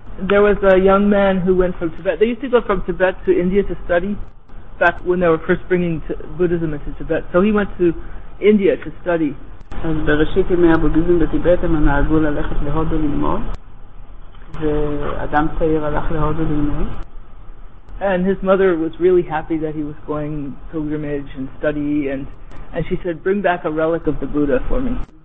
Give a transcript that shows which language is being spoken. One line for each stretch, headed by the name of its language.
English: There was a young man who went from Tibet. They used to go from Tibet to India to study back when they were first bringing Buddhism into Tibet. So he went to India to study.
Hebrew: אז בראשית ימי הבודיזם בטיבט הם נהגו ללכת להודו ללמוד. ואדם צעיר הלך להודו ללמוד.
English: And his mother was really happy that he was going pilgrimage and study, and she said, bring back a relic of the Buddha for me.